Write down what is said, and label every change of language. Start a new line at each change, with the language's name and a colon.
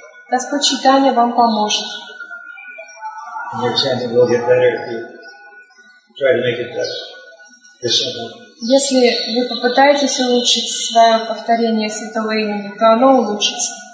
Russian: Господь Читания вам поможет.
English: Your chanting will get better if you try to make it better.
Russian: Если вы попытаетесь улучшить свое повторение святого имени, то оно улучшится.